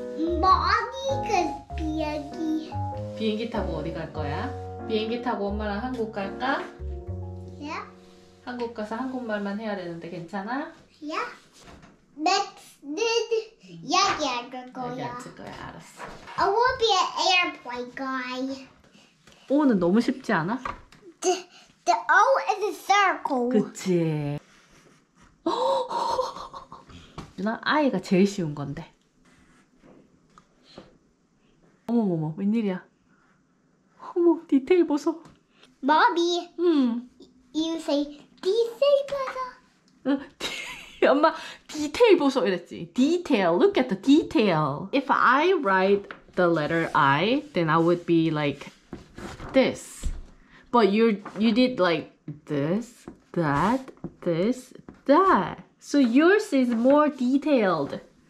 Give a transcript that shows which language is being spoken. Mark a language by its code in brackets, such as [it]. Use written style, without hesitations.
[ko] 뭐니 그 비행기? 비행기 타고 어디 갈 거야? 비행기 타고 엄마랑 한국 갈까? 한국 가서 한국말만 해야 되는데 괜찮아? 야, 맥스는 여기 앉을 거야. 여기 앉을 거야, 알았어. [en] I will be an airplane guy. [ko] O는 너무 쉽지 않아? [en] The O is a circle. [ko] 그치. 누나, I가 제일 쉬운 건데. 어머머머, 웬일이야? 어머, 디테일 보소. [en] Mommy. [ko] 응. [en] You say. [ko] 디테일 봐서. 엄마 디테일 보소 이랬지. [en] Detail. Look at the detail. If I write the letter I, then I would be like this. But you did like this, that, this, that. So yours is more detailed.